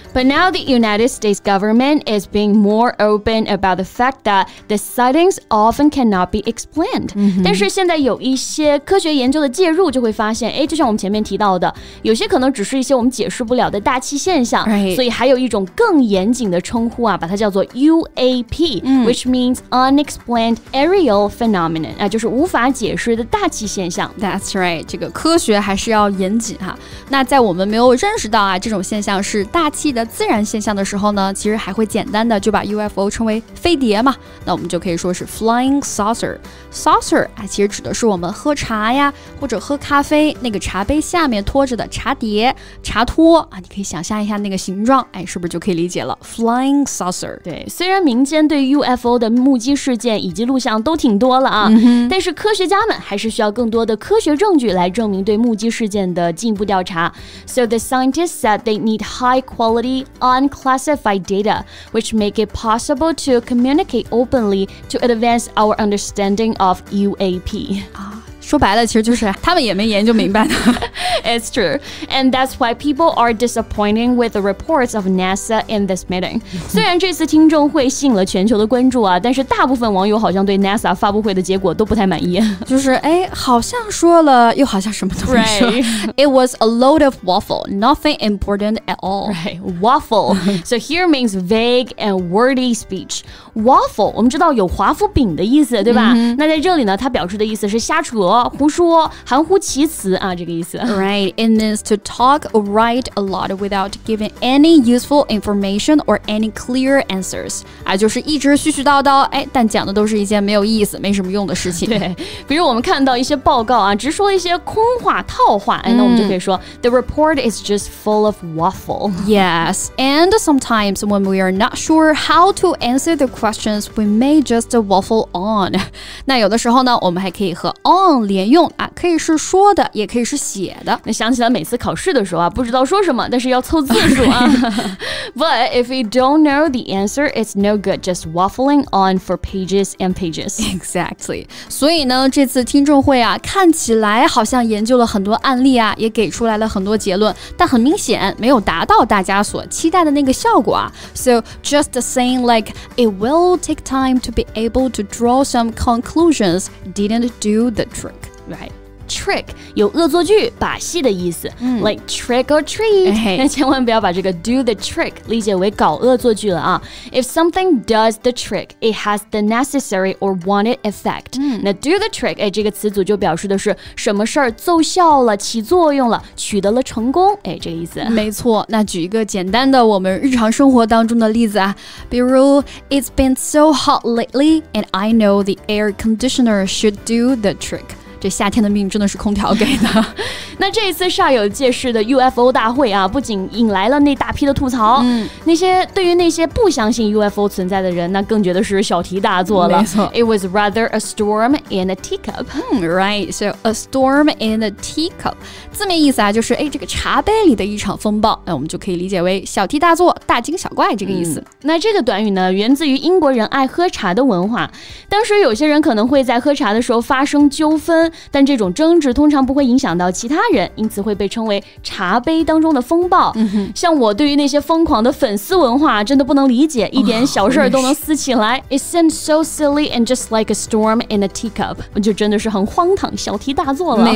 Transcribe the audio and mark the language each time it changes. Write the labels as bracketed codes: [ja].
[en] But now the United States government is being more open about the fact that the sightings often cannot be explained. [zh] 但是现在有一些科学研究的介入，就会发现，哎，就像我们前面提到的，有些可能只是一些我们解释不了的大气现象。 [en] Right. [zh] 所以还有一种更严谨的称呼啊，把它叫做 UAP, [en] which means unexplained aerial phenomenon, [zh] 那就是无法解释的大气现象。 [en] That's right, [zh] 这个科学还是要严谨哈。那在我们没有认识到啊这种现象是大气的自然现象的时候呢，其实还会简单的就把 UFO 称为飞碟嘛，那我们就可以说是 flying saucer。 Saucer 啊，其实指的是我们喝茶呀或者喝咖啡那个茶杯下面托着的茶碟、茶托啊，你可以想象一下那个形状，哎，是不是就可以理解了 flying saucer？对，虽然民间对 UFO 的目击事件以及录像都挺多了啊，但是科学家们还是需要更多的科学证据来证明对目击事件的进一步调查。 [en] So the scientists said they need high quality unclassified data, which make it possible to communicate openly to advance our understanding of UAP. [zh] 说白了其实就是他们也没研究明白的。 [en] It's true. And that's why people are disappointed with the reports of NASA in this meeting. [zh] 虽然这次听证会吸引了全球的关注啊，但是大部分网友好像对 NASA 发布会的结果都不太满意。就是哎，好像说了又好像什么都没说。 [en] Right. It was a load of waffle, nothing important at all. Right. Waffle. So here means vague and wordy speech. [zh] Waffle, 我们知道有华夫饼的意思，对吧？那在这里呢，它表示的意思是瞎扯、胡说、含糊其辞啊，这个意思。 [en] Right, it means to talk or write a lot without giving any useful information or any clear answers. [zh] 啊，就是一直絮絮叨叨，哎，但讲的都是一些没有意思、没什么用的事情。对，比如我们看到一些报告啊，只说一些空话、套话，哎，那我们就可以说 [en] the report is just full of waffle. Yes, and sometimes when we are not sure how to answer the questions, we may just waffle on. [zh] 那有的时候呢，我们还可以和 [en] on [zh] 连用啊，可以是说的，也可以是写的。那想起来每次考试的时候啊，不知道说什么，但是要凑字数啊。 [en] But if you don't know the answer, it's no good just waffling on for pages and pages. Exactly. [zh] 所以呢，这次听众会啊，看起来好像研究了很多案例啊，也给出来了很多结论，但很明显没有达到大家所期待的那个效果啊。 [en] So just saying like it will take time to be able to draw some conclusions didn't do the trick. Right. [zh] Trick 有恶作剧、把戏的意思、 [en] like trick or treat、哎、 [zh] 但千万不要把这个 do the trick 理解为搞恶作剧了啊 [en] If something does the trick, it has the necessary or wanted effect、 [zh] 那 do the trick、哎、这个词组就表示的是什么事儿奏效了、起作用了、取得了成功、哎、这个意思没错那举一个简单的我们日常生活当中的例子啊比如 [en] It's been so hot lately and I know the air conditioner should do the trick [zh] 这夏天的命真的是空调给的那这次煞有介事的 UFO 大会啊不仅引来了那大批的吐槽、那些对于那些不相信 UFO 存在的人那更觉得是小题大做了没错 [en] It was rather a storm and a teacup、 Right, so [zh] a storm and a teacup 字面意思啊就是哎，这个茶杯里的一场风暴那我们就可以理解为小题大做大惊小怪这个意思、那这个短语呢源自于英国人爱喝茶的文化当时有些人可能会在喝茶的时候发生纠纷但这种争执通常不会影响到其他人因此会被称为茶杯当中的风暴、像我对于那些疯狂的粉丝文化真的不能理解一点小事都能撕起来、 [en] It seems so silly and just like a storm in a teacup [zh] 就真的是很荒唐小题大做了